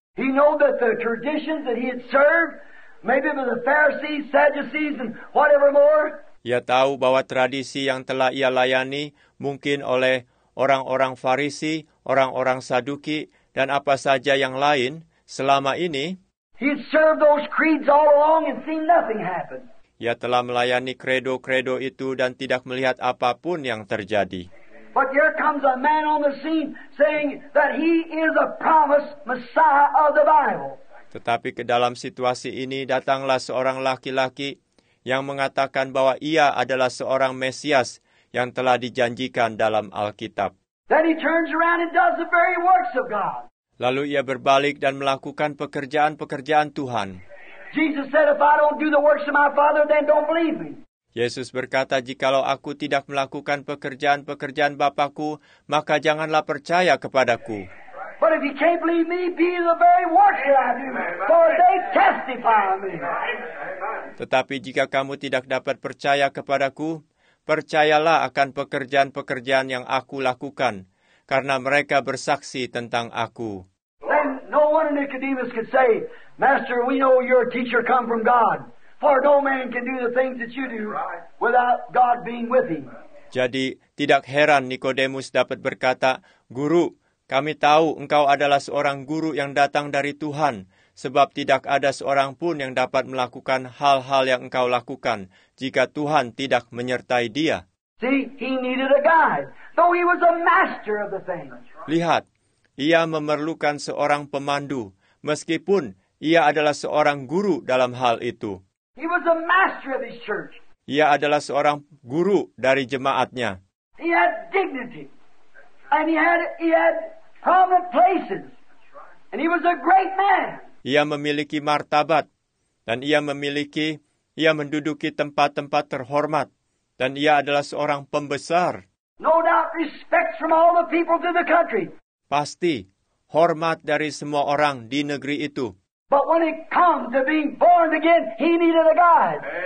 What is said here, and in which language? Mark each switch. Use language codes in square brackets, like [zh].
[en] He knew that the traditions that he had served, maybe by the Pharisees, Sadducees, and whatever more. [id] Ia tahu bahwa tradisi yang telah ia layani mungkin oleh orang-orang Farisi, orang-orang Saduki, dan apa saja yang lain selama ini. [en] He had served those creeds all along and seen nothing happen. [id] Ia telah melayani kredo-kredo itu dan tidak melihat apapun yang terjadi. [en] But here comes a man on the scene saying that he is a promised Messiah of the Bible. [id] Tetapi ke dalam situasi ini datanglah seorang laki-laki yang mengatakan bahwa ia adalah seorang Mesias yang telah dijanjikan dalam Alkitab. [en] Then he turns around and does the very works of God. [id] Lalu ia berbalik dan melakukan pekerjaan-pekerjaan Tuhan. [en] Jesus said, if I don't do the works of my Father, then don't believe me. [id] Yesus berkata, jikalau aku tidak melakukan pekerjaan-pekerjaan Bapa-Ku, maka janganlah percaya kepadaku. [en] But if you can't believe me, be the very works that I do, for they testify of me. [id] Tetapi jika kamu tidak dapat percaya kepadaku, percayalah akan pekerjaan-pekerjaan yang aku lakukan, karena mereka bersaksi tentang aku. [en] Then no one in Nicodemus could say, Master, we know you're a teacher come from God, for no man can do the things that you do without God being with him. [id] Jadi, tidak heran Nikodemus dapat berkata, Guru, kami tahu engkau adalah seorang guru yang datang dari Tuhan, sebab tidak ada seorang pun yang dapat melakukan hal-hal yang engkau lakukan jika Tuhan tidak menyertai dia. [en] See, he needed a guide, though he was a master of the things. [id] Lihat, ia memerlukan seorang pemandu, meskipun ia adalah seorang guru dalam hal itu. [en] He was a master of his church. [id] Ia adalah seorang guru dari jemaatnya. [en] He had dignity. And he had prominent places. And he was a great man. [id] Ia memiliki martabat. Dan ia menduduki tempat-tempat terhormat. Dan ia adalah seorang pembesar. [en] No doubt respect from all the people to the country. [id] Pasti, hormat dari semua orang di negeri itu. [en] But when it comes to being born again, he needed a guide.